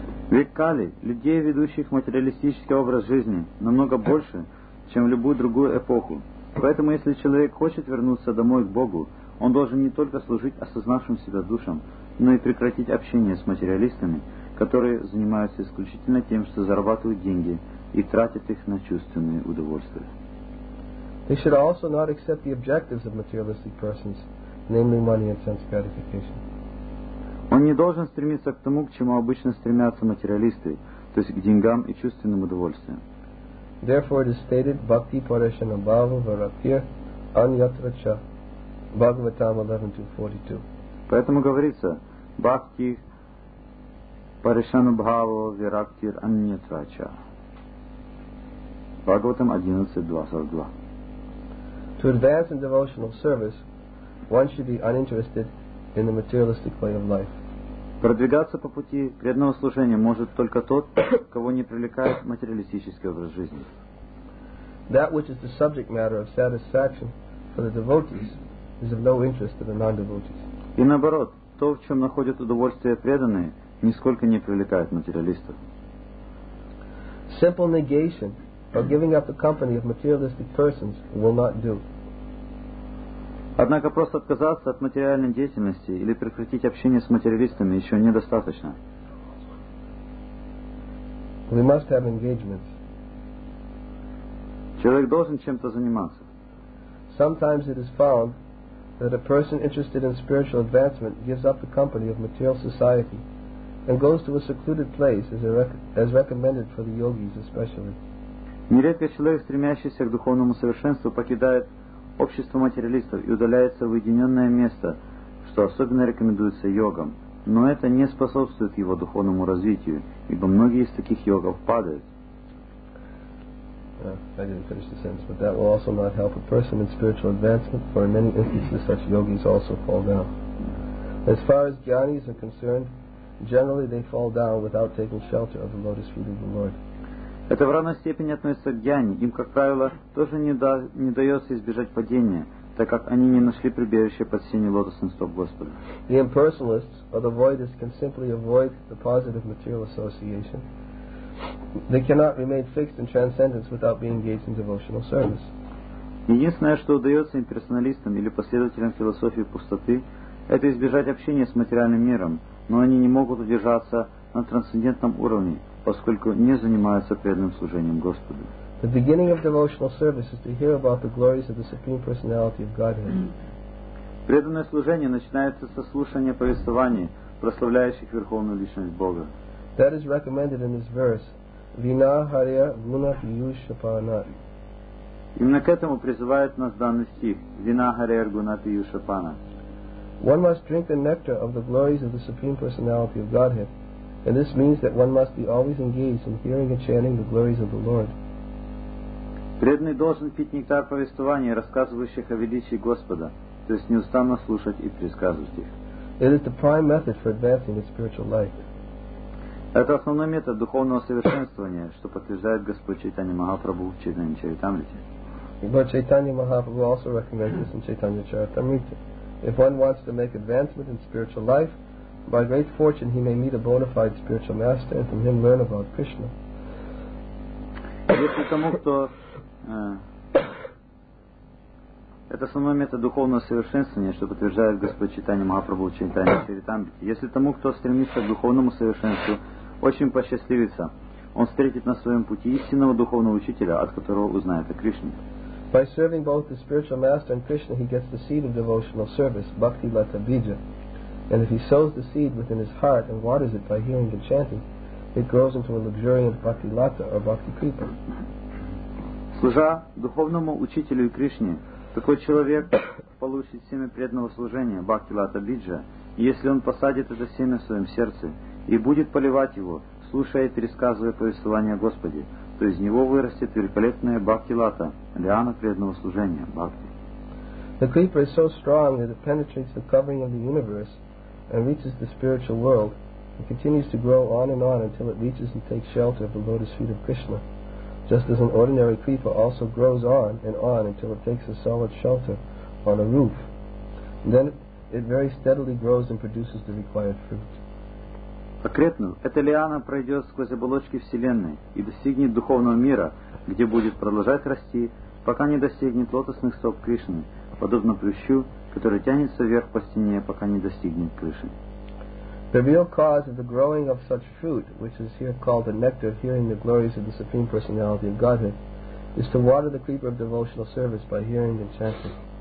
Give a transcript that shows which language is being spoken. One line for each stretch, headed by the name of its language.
Russian: Век Кали, людей, ведущих материалистический образ жизни, намного больше, чем в любую другую эпоху. Поэтому, если человек хочет вернуться домой к Богу, он должен не только служить осознавшим себя душам, но и прекратить общение с материалистами, которые занимаются исключительно тем, что зарабатывают деньги и тратят их на чувственные удовольствия.
English: They should also not accept the objectives of materialistic persons, namely money and sense gratification.
Russian: Он не должен стремиться к тому, к чему обычно стремятся материалисты, то есть к деньгам и чувственным удовольствиям.
English: Therefore it is stated,
Sanskrit: Bhakti Parashana Bhava Varapya Anyatracha,
English: Bhagavatam 11.2.42.
Russian: Поэтому говорится,
Sanskrit: Бхакти Парешану Бхаво Вирактир Аннитрача.
Russian: Бхагаватам 11.2.42.
English: To advance in devotional service, one should be uninterested in the materialistic way of life.
Russian: Продвигаться по пути преданного служения может только тот, кого не привлекает материалистический образ жизни.
English: That which is the subject matter of satisfaction for the devotees is of no interest to the non-devotees.
Russian: И наоборот, то, в чем находят удовольствие преданные, нисколько не привлекает материалистов.
English: Simple negation or giving up the company of materialistic persons will not do.
Russian: Однако просто отказаться от материальной деятельности или прекратить общение с материалистами еще недостаточно.
English: We must have engagements.
Russian: Человек должен чем-то заниматься.
English: Sometimes it is found that a person interested in spiritual advancement gives up the company of material society and goes to a secluded place as recommended for the yogis especially.
Russian: Нередко человек, стремящийся к духовному совершенству, покидает общество материалистов и удаляется в уединенное место, что особенно рекомендуется йогам. Но это не способствует его духовному развитию, ибо многие из таких йогов падают.
English: I didn't finish the sentence, but that will also not help a person in spiritual advancement, for in many instances such yogis also fall down. As far as jnanis are concerned, generally they fall down without taking shelter of the lotus feet of the Lord.
Russian: Это в равной степени относится к джняни. Им, как правило, тоже не дается избежать падения, так как они не нашли прибежище под сенью лотосных стоп Господа.
English: The impersonalists or the voidists can simply avoid the positive material association. They cannot remain fixed in transcendence without being engaged in devotional service.
Russian: Единственное, что удается имперсоналистам или последователям философии пустоты, это избежать общения с материальным миром, но они не могут удержаться на трансцендентном уровне, поскольку не занимаются преданным служением Господу.
English: The beginning of devotional service is to hear about the glories of the Supreme Personality of Godhead.
Russian: Преданное служение начинается со слушания повествований, прославляющих Верховную Личность Бога.
English: That is recommended in this verse.
Sanskrit: Vina Hariya Gunat Yushapanat.
Russian: Именно к этому призывает нас данный стих.
Sanskrit: Vina Hariya Gunat Yushapanat.
English: One must drink the nectar of the glories of the Supreme Personality of Godhead. And this means that one must be always engaged in hearing and chanting the glories of the Lord.
Russian: Преданный должен пить нектар повествований, рассказывающих о величии Господа, то есть неустанно слушать и предсказывать их.
English: It is the prime method for advancing his spiritual life.
Russian: Это основной метод духовного совершенствования, что подтверждает Господь Чайтанья Махапрабху в Чайтанья Чаритамрите.
English: But Chaitanya Mahaprabhu also recommends this in Chaitanya Charitamrita. If one wants to make advancement in spiritual life, by great fortune he may meet a bona fide spiritual master and from him learn about Krishna.
Russian: Если тому, кто это основной метод духовного совершенствования, что подтверждает Господь Чайтанья Махапрабху в Чайтанья Чаритамрите. Если тому, кто стремится к духовному совершенству, очень посчастливится, он встретит на своем пути истинного духовного учителя, от которого узнает о Кришне.
English: By serving both the spiritual master and Krishna, he gets the seed of devotional service, bhakti lata bija. And if he sows the seed within his heart and waters it by hearing and chanting, it grows into a luxuriant bhakti lata or bhakti kripa.
Russian: Служа духовному учителю и Кришне, такой человек получит семя преданного служения, бхакти лата биджа, и если он посадит это семя в своем сердце и будет поливать его, слушая и пересказывая повествование о Господе, то из него вырастет великолепная бхакти лата, лиана преданного служения, бхакти.
English: The creeper is so strong that it penetrates the covering of the universe and reaches the spiritual world and continues to grow on and on until it reaches and takes shelter of the lotus feet of Krishna, just as an ordinary creeper also grows on and on until it takes a solid shelter on a roof. And then it very steadily grows and produces the required fruit.
Russian: Конкретно, эта лиана пройдет сквозь оболочки Вселенной и достигнет духовного мира, где будет продолжать расти, пока не достигнет лотосных стоп Кришны, подобно плющу, который тянется вверх по стене, пока не достигнет крыши.
English: The real cause of the growing of such fruit, which is here called the nectar of hearing the glories of the Supreme Personality of Godhead, is to water the creeper of devotional service by hearing and chanting.